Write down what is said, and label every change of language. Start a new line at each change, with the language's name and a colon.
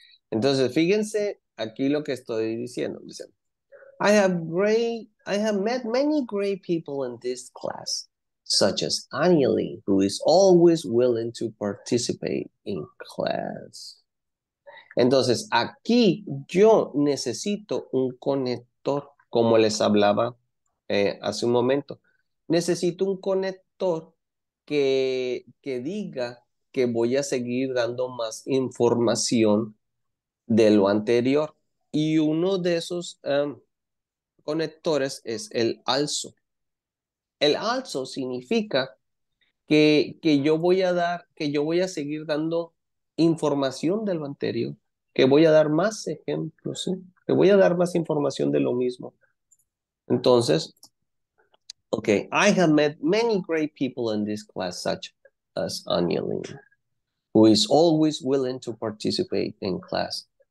Spanish: Entonces, fíjense aquí lo que estoy diciendo. Dice,
English: I have met many great people in this class, such as Annie, who is always willing to participate in class.
Spanish: Entonces, aquí yo necesito un conector, como les hablaba hace un momento. Necesito un conector que diga que voy a seguir dando más información de lo anterior, y uno de esos conectores es el also. El also significa que yo voy a seguir dando información de lo anterior, que voy a dar más ejemplos, ¿sí? Que voy a dar más información de lo mismo. Entonces,
English: ok, I have met many great people in this class, such as Anilin, who is always willing to participate in class.